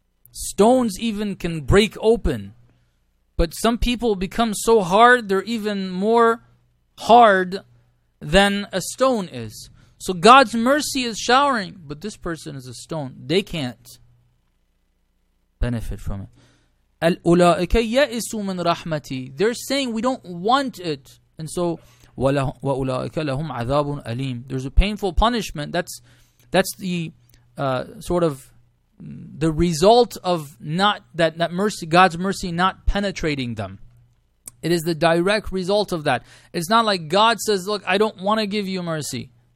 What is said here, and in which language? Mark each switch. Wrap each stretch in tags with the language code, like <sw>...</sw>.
<en>Stones even can break open. But some people become so hard, they're even more hard than a stone is. So God's mercy is showering, but this person is a stone. They can't benefit from it.</en> <ar>أَلْأُولَٰئِكَ يَئِسُوا مِنْ رَحْمَتِي.</ar> <en>They're saying, we don't want it. And so,</en> <ar>وَأُولَٰئِكَ لَهُمْ عَذَابٌ أَلِيمٌ.</ar> <en>There's a painful punishment. That's the sort of the result of not that mercy, God's mercy not penetrating them. It is the direct result of that. It's not like God says, look, I don't want to give you mercy.</en>